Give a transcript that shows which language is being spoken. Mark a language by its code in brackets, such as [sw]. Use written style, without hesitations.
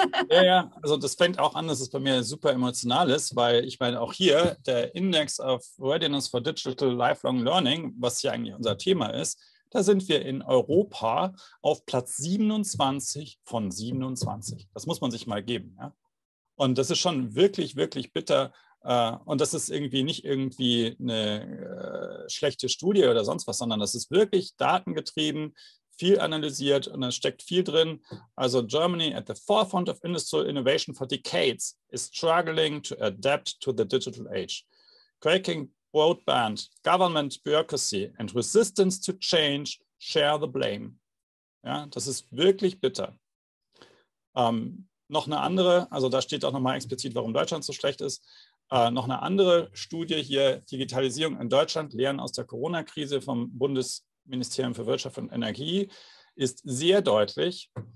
[de] Ja, also das fängt auch an, dass es bei mir super emotional ist, weil ich meine auch hier, der Index of Readiness for Digital Lifelong Learning, was hier eigentlich unser Thema ist, da sind wir in Europa auf Platz 27 von 27. Das muss man sich mal geben. Ja? Und das ist schon wirklich, wirklich bitter. Und das ist irgendwie nicht irgendwie eine schlechte Studie oder sonst was, sondern das ist wirklich datengetrieben, viel analysiert und da steckt viel drin. [en] Also Germany at the forefront of industrial innovation for decades is struggling to adapt to the digital age. Cracking broadband, government bureaucracy and resistance to change share the blame. [de] Ja, das ist wirklich bitter. Noch eine andere, also da steht auch nochmal explizit, warum Deutschland so schlecht ist. Noch eine andere Studie hier, Digitalisierung in Deutschland, Lehren aus der Corona-Krise vom Bundesministerium für Wirtschaft und Energie, ist sehr deutlich.